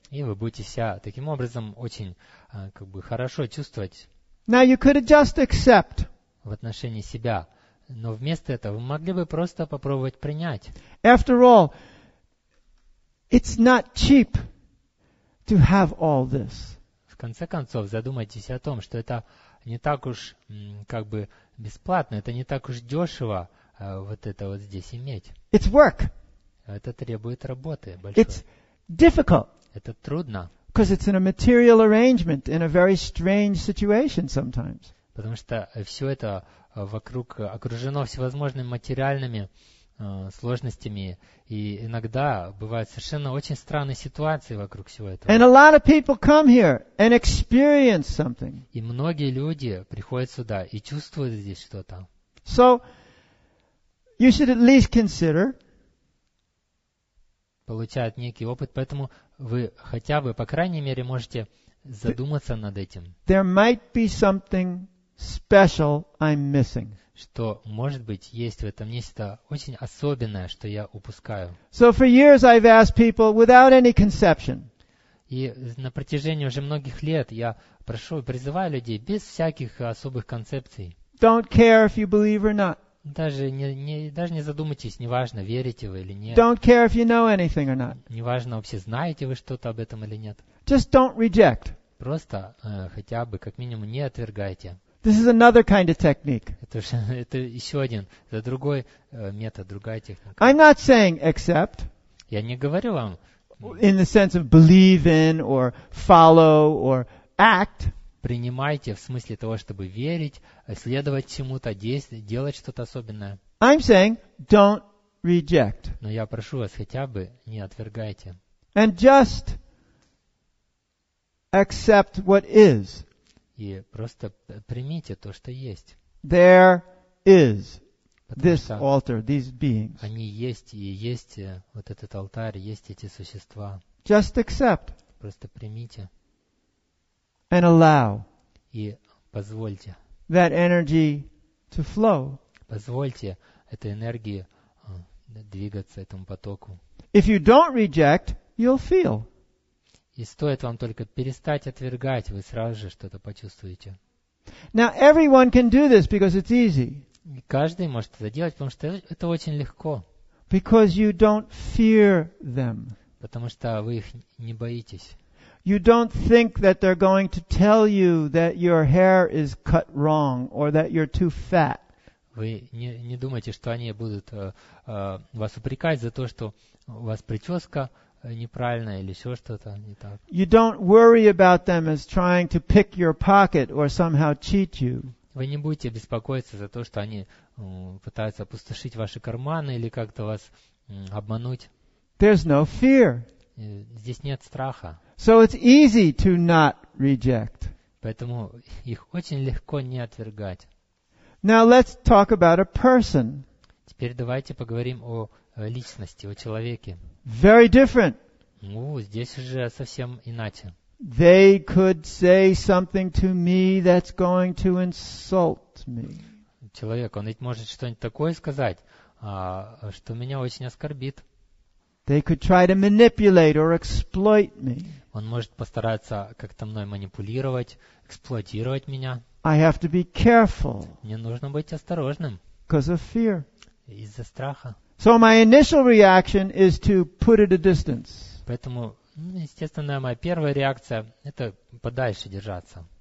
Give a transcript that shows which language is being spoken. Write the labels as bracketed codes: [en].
[ru] И вы будете себя таким образом очень как бы хорошо чувствовать. [en] Now you could just accept. [ru] В отношении себя Но вместо этого вы могли бы просто попробовать принять. [en] After all, it's not cheap to have all this. [ru] В конце концов, задумайтесь о том, что это не так уж как бы бесплатно, это не так уж дешево вот это вот здесь иметь. [en] It's work. [ru] Это требует работы большой. [en] It's difficult. [ru] Это трудно. [en] Because it's in a material arrangement in a very strange situation sometimes. [ru] Потому что все это вокруг окружено всевозможными материальными сложностями, и иногда бывают совершенно очень странные ситуации вокруг всего этого. [en] And a lot of people come here and experience something. [ru] И многие люди приходят сюда и чувствуют здесь что-то. [en] So you should at least consider. [ru] Получают некий опыт, поэтому вы хотя бы, по крайней мере, можете задуматься над этим. [en] There might be something special I'm missing. [ru] Что, может быть, есть в этом нечто очень особенное, что я упускаю. [en] So for years I've asked people without any conception. [ru] И на протяжении уже многих лет я прошу и призываю людей без всяких особых концепций. [en] Don't care if you believe or not. [ru] Даже не задумайтесь, неважно, верите вы или нет. [en] Don't care if you know anything or not. [ru] Неважно вообще, знаете вы что-то об этом или нет. [en] Just don't reject. [ru] Просто хотя бы, как минимум, не отвергайте. [en] This is another kind of technique. [ru] Это еще один, это другой метод, другая техника. [en] I'm not saying accept. [ru] Я не говорю вам. [en] In the sense of believe in or follow or act. [ru] Принимайте в смысле того, чтобы верить, следовать чему-то, действовать, делать что-то особенное. [en] I'm saying don't reject. [ru] Но я прошу вас хотя бы не отвергайте. [en] And just accept what is. [ru] И просто примите то, что есть. [en] There is this altar, these beings. [ru] Они есть, и есть вот этот алтарь, есть эти существа. [en] Just accept. [ru] Просто примите. [en] And allow. [ru] И позвольте. [en] That energy to flow. [ru] Позвольте этой энергии двигаться этому потоку. [en] If you don't reject, you'll feel. [ru] И стоит вам только перестать отвергать, вы сразу же что-то почувствуете. [en] Now everyone can do this because it's easy. [ru] И каждый может это делать, потому что это очень легко. [en] Because you don't fear them. [ru] Потому что вы их не боитесь. [en] You don't think that they're going to tell you that your hair is cut wrong or that you're too fat. [ru] Вы не думаете, что они будут вас упрекать за то, что у вас прическа неправильно или еще что-то не так. [en] You don't worry about them as trying to pick your pocket or somehow cheat you. [ru] Вы не будете беспокоиться за то, что они пытаются опустошить ваши карманы или как-то вас обмануть. [en] There's no fear. [ru] Здесь нет страха. [en] So it's easy to not reject. [ru] Поэтому их очень легко не отвергать. [en] Now let's talk about a person. [ru] Теперь давайте поговорим о личности, о человеке. [en] Very different. [ru] Здесь уже совсем иначе. [en] They could say something to me that's going to insult me. [ru] Человек, он ведь может что-нибудь такое сказать, что меня очень оскорбит. [en] They could try to manipulate or exploit me. [ru] Он может постараться как-то мной манипулировать, эксплуатировать меня. [en] I have to be careful. [ru] Мне нужно быть осторожным. [en] Because of fear. [ru] Из-за страха. [en] So my initial reaction is to put it a distance. [ru] Поэтому, естественно, моя первая реакция – это подальше держаться.